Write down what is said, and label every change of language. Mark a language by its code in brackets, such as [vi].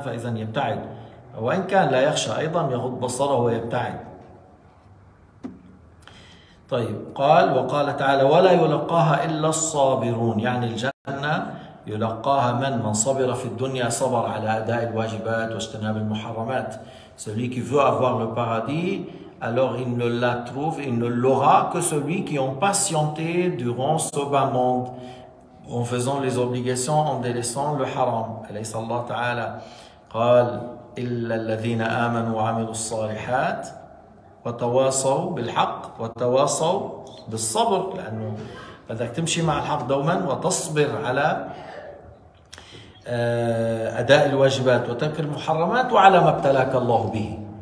[ar] فإذا يبتعد، وإن كان لا يخشى أيضا يغض بصره ويبتعد. طيب قال، وقال تعالى ولا يلقاها إلا الصابرون، يعني الجنة يلقاها من صبر في الدنيا، صبر على أداء الواجبات واجتناب المحرمات. [fr] celui qui veut avoir le paradis alors il ne la trouve il ne l'aura que celui qui ont patienté durant ce bas monde en faisant les obligations en délaissant le haram. [ar] أليس الله تعالى قال إلا الذين آمنوا وعملوا الصالحات وتواصوا بالحق وتواصوا بالصبر، لأنه بدك تمشي مع الحق دوما وتصبر على أداء الواجبات وترك المحرمات وعلى ما ابتلاك الله به.